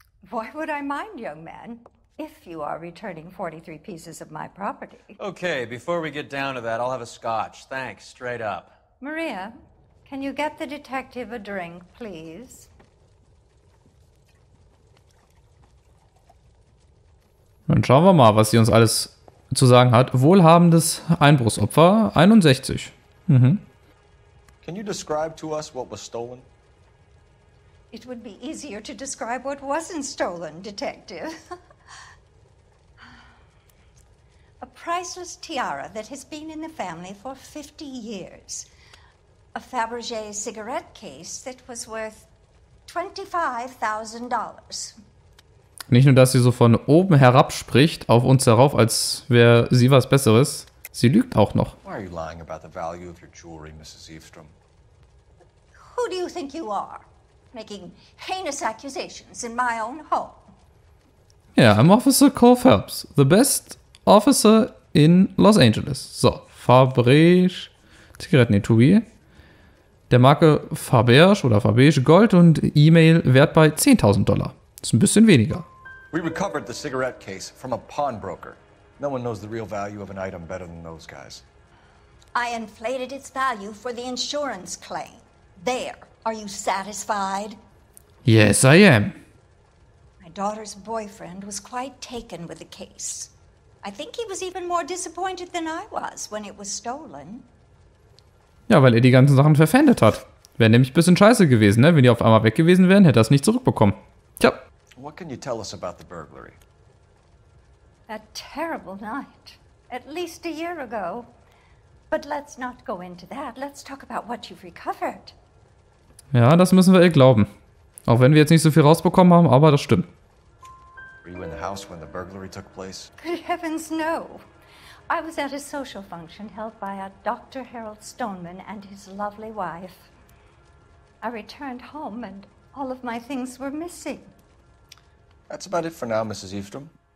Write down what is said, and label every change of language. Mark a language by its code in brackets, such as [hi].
[en] Why would I mind, young man, if you are returning 43 pieces of my property? Okay, before we get down to that, I'll have a scotch. Thanks, straight up. Maria, can you get the detective a drink, please? [de] Dann schauen wir mal, was sie uns alles zu sagen hat. Wohlhabendes Einbruchsopfer 61. Mhm. [en] Can you describe to us what was stolen? It would be easier to describe what wasn't stolen, detective. A priceless tiara that has been in the family for 50 years. A Fabergé cigarette case that was worth $25,000. [de] Nicht nur, dass sie so von oben herab spricht, auf uns herauf, als wäre sie was Besseres. Sie lügt auch noch. [en] Why are you lying about the value of your jewelry, Mrs. Evestrom? Who do you think you are, making heinous accusations in my own home? Yeah, I'm Officer Cole Phelps, the best officer in Los Angeles. [de] So, Fabergé, Zigarettenetui, der Marke Fabergé oder Fabergé, Gold und E-Mail wert bei $10,000. Das ist ein bisschen weniger. [en] We recovered the cigarette case from a pawnbroker. No one knows the real value of an item better than those guys. I inflated its value for the insurance claim. There. Are you satisfied? Yes, I am. My daughter's boyfriend was quite taken with the case. I think he was even more disappointed than I was when it was stolen. [de] Ja, weil die ganzen Sachen verpfändet hat. Wäre nämlich ein bisschen scheiße gewesen, ne? Wenn die auf einmal weg gewesen wären, hätte er es nicht zurückbekommen. Tja. [en] What can you tell us about the burglary? A terrible night. At least a year ago. But let's not go into that. Let's talk about what you've recovered. [de] Ja, das müssen wir ihr glauben. Auch wenn wir jetzt nicht so viel rausbekommen haben, aber das stimmt. [en] Were you in the house when the burglary took place? Good heavens, no. I was at a social function held by a Dr. Harold Stoneman and his lovely wife. I returned home and all of my things were missing. That's about it for now, Mrs. Evestrom.